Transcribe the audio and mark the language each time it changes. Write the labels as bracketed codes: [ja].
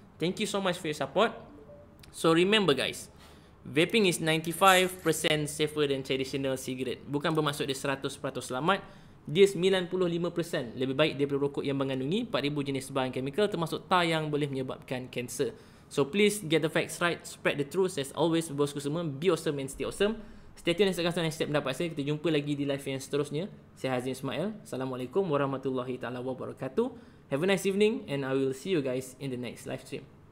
[en] Thank you so much for your support. So remember guys, vaping is 95% safer than traditional cigarette. [ms] Bukan bermaksud dia 100% selamat. Dia 95% lebih baik daripada rokok yang mengandungi 4,000 jenis bahan kimia termasuk tar yang boleh menyebabkan kanser. [en] So please get the facts right, spread the truth. As always, [ms] bosku semua, [en] be awesome and stay awesome. Stay tuned [ms] dan saksikan setiap pendapat saya. Kita jumpa lagi di live yang seterusnya. Saya Hazim Ismail. Assalamualaikum warahmatullahi taala wabarakatuh. [en] Have a nice evening and I will see you guys in the next live stream.